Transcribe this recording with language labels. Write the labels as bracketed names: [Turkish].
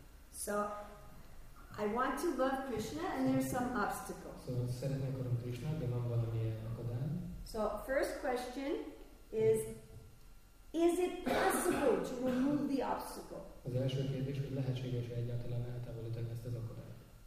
[English] So, I want to love Krishna and there's some obstacles. [Hungarian] So, szeretnék arra Krishna, de van valami akadály. [English] So, first question is it possible to remove the obstacle? [Hungarian] Az első kérdés, hogy lehetséges-e egyáltalán eltávolítani ezt az akadályt?